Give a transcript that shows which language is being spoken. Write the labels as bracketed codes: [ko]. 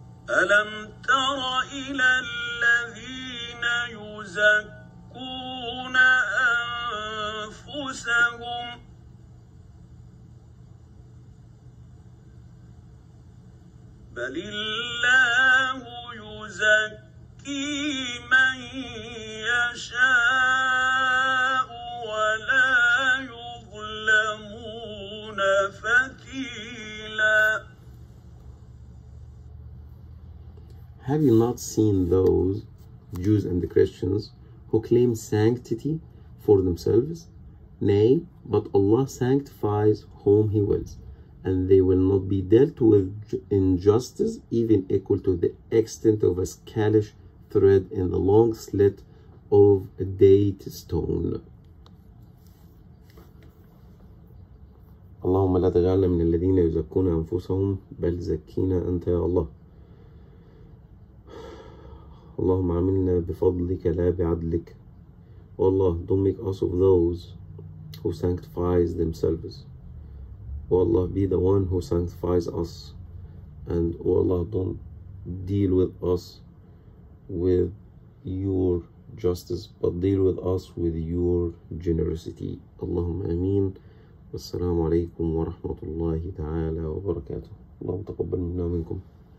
[ar] ألم تر إلى الذين يزكون أنفسهم بل الله يزكي من يشاء ولا يظلمون فتيلا. [en] Have you not seen those Jews and the Christians who claim sanctity for themselves? Nay, but Allah sanctifies whom he wills, and they will not be dealt with injustice even equal to the extent of a scalish thread in the long slit of a date stone. [ar] اللهم لا تجعلنا من الذين يزكون أنفسهم بل زكينا أنت يا الله. اللهم عاملنا بفضلك لا بعدلك. والله, [en] don't make us of those who sanctifies themselves. [ar] والله, [en] be the one who sanctifies us. And والله, don't deal with us with your justice, but deal with us with your generosity. [ar] اللهم آمين. والسلام عليكم ورحمة الله تعالى وبركاته. اللهم تقبل منا ومنكم.